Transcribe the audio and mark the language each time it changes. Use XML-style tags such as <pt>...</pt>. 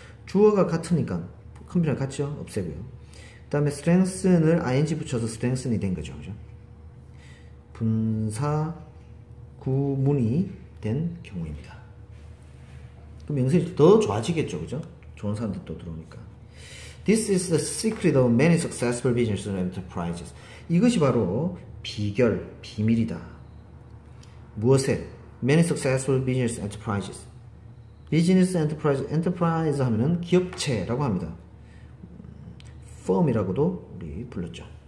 <ko>주어가 같으니까 컴퓨터랑 같죠? 없애고요. 그 다음에 strengthen을 ing 붙여서 strengthen이 된 거죠. 그죠? 분사 구문이 된 경우입니다. 그 명세가 더 좋아지겠죠. 그죠? 좋은 사람들 또 들어오니까.</ko> <en>This is the secret of many successful businesses and enterprises.</en> <ko>이것이 바로 비결, 비밀이다. 무엇에?</ko> <en>Many successful business enterprises. Business enterprise, enterprise</en> <ko>하면은 기업체라고 합니다. Firm이라고도 우리 불렀죠.</ko>